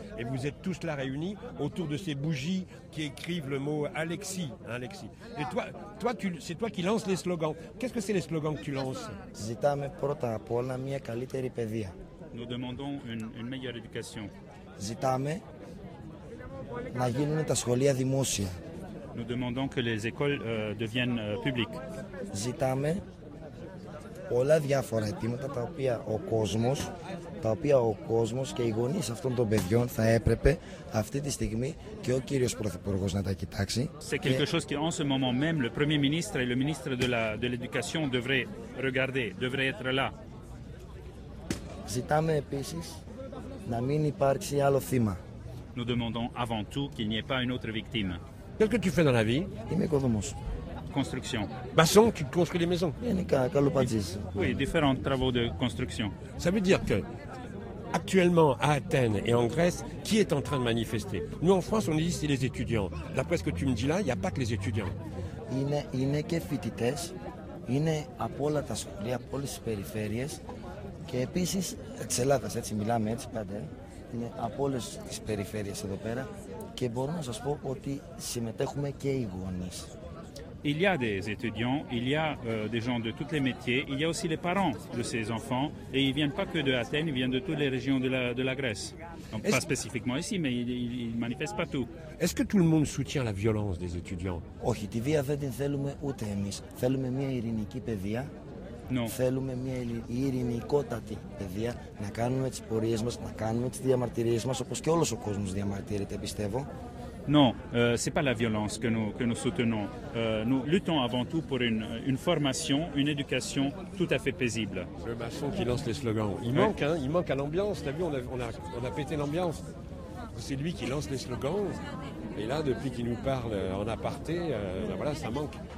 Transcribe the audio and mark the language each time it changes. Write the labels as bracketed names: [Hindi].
[French] Et vous êtes tous là réunis autour de ces bougies qui écrivent le mot Alexis. Hein, Alexis. Et c'est toi qui lances les slogans. Qu'est-ce que c'est les slogans que tu lances ? [Greek] Zitame prota apola mia kaliteri pedia. [French] Nous demandons une meilleure éducation. [Greek] Zitame. Να γίνουν τα σχολεία δημόσια. [French] Nous demandons que les écoles deviennent publiques. [Greek] Ζητάμε πολλά διάφορα αιτήματα τα οποία ο κόσμος και οι γονείς αυτών των παιδιών θα έπρεπε αυτή τη στιγμή και ο κύριος Πρωθυπουργός να τα κοιτάξει. [French] C'est quelque chose que en ce moment même le Premier ministre et le ministre de l'Éducation devraient regarder, devraient être là. [Greek] Ζητάμε επίσης να μην υπάρξει άλλο θύμα. [French] Nous demandons avant tout qu'il n'y ait pas une autre victime. Qu'est-ce que tu fais dans la vie ? Construction. Basson, tu construis des maisons ? Oui, différents travaux de construction. Ça veut dire que, actuellement, à Athènes et en Grèce, qui est en train de manifester ? Nous, en France, on dit que c'est les étudiants. D'après ce que tu me dis là, il n'y a pas que les étudiants. Il y a aussi les étudiants, il y a toutes les écoles, toutes les périphéries, et aussi, en Ελλάδα, nous parlons [Greek] είναι από όλες τις περιφέρειες εδώ πέρα και μπορώ να σας πω ότι συμμετέχουμε και οι γονείς. [French] Il y a des étudiants, il y a des gens de toutes les métiers, il y a aussi les parents de ces enfants et ils viennent pas que de Athènes, ils viennent de toutes les régions de la Grèce. Donc pas spécifiquement ici, mais ils manifestent partout. Est-ce que tout le monde soutient la violence des étudiants? [Greek] Όχι, τη βία δεν την θέλουμε ούτε εμείς. Θέλουμε μια ειρηνική παιδεία. [French] Non. [Greek] Θέλουμε μια ειρηνικότατη παιδεία να κάνουμε τις πορείες μας, να κάνουμε τις διαμαρτυρίες μας, όπως και όλος ο κόσμος διαμαρτύρεται, πιστεύω. [French] Non, c'est pas la violence que nous soutenons. Nous luttons avant tout pour une formation, une éducation tout à fait paisible. Le maçon qui lance les slogans. Il manque à l'ambiance. T'as vu, on a pété l'ambiance. C'est lui qui lance les slogans. Et là, depuis qu'il nous parle en aparté, ben voilà, ça manque.